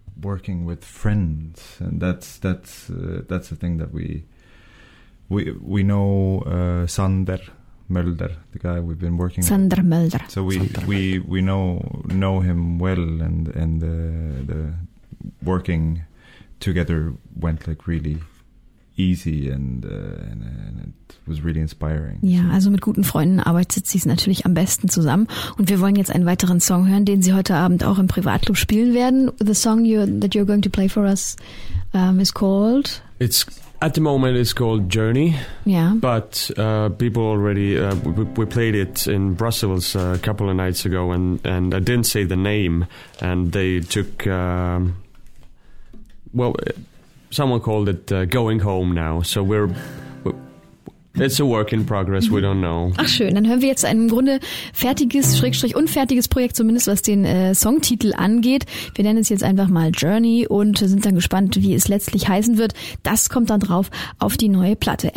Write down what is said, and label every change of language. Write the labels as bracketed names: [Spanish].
[English] Working with friends, and that's the thing that we know Sander Mölder, the guy we've been working Sander with. Mölder. So we know him well, and the working together went like really easy and it was really inspiring. [German] Ja, so. Also mit guten Freunden arbeitet sie es natürlich am besten zusammen. Und wir wollen jetzt einen weiteren Song hören, den sie heute Abend auch im Privatclub spielen werden. [English] The song that you're going to play for us is called... At the moment, it's called Journey. Yeah. But people already we played it in Brussels a couple of nights ago, and I didn't say the name, and they took someone called it Going Home now. So it's a work in progress. We don't know. [German] Ach schön. Dann hören wir jetzt ein im Grunde fertiges / unfertiges Projekt, zumindest was den Songtitel angeht. Wir nennen es jetzt einfach mal Journey und sind dann gespannt, wie es letztlich heißen wird. Das kommt dann drauf auf die neue Platte.